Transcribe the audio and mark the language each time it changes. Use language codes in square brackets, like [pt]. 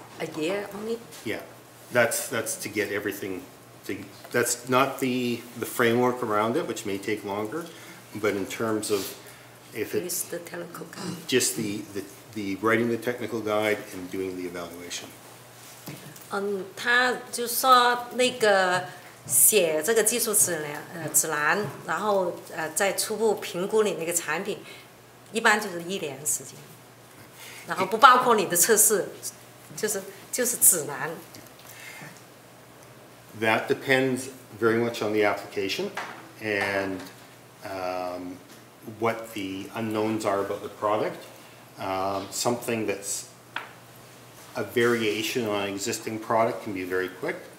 [en] a year only? Yeah, that's to get everything. That's not the framework around it, which may take longer, but in terms of the technical guide. Just the writing the technical guide and doing the evaluation. [zh] 他就说那个写这个技术指南，然后再初步评估你那个产品，一般就是一年时间，然后不包括你的测试，就是指南。 [en] That depends very much on the application and what the unknowns are about the product. Something that's a variation on an existing product can be very quick.